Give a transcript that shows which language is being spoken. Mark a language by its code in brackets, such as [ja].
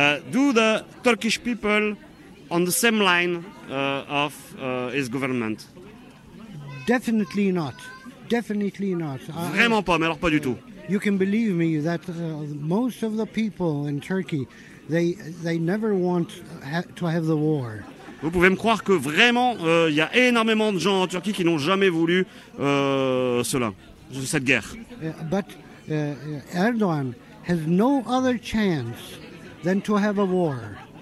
[en] Do the Turkish people on the same line of his government? Definitely not. Definitely not. [fr] Vraiment pas, mais alors pas du tout. [en] You can believe me that most of the people in Turkey, they never want to have the war. [fr] Vous pouvez me croire que vraiment, il y a énormément de gens en Turquie qui n'ont jamais voulu cette guerre. [en] But Erdogan has no other chance than to have a war.